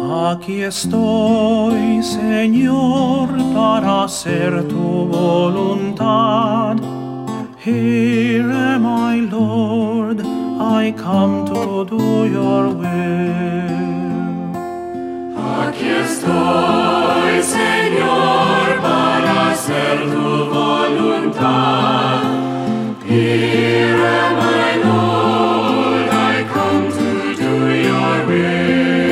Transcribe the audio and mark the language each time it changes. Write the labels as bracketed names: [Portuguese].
[Spanish] Aquí estoy, Señor, para hacer tu voluntad. [English] Here am I, Lord, I come to do your will. [Spanish] Aquí estoy, Señor, para hacer tu voluntad. [English] Here am I, Lord, I come to do your will.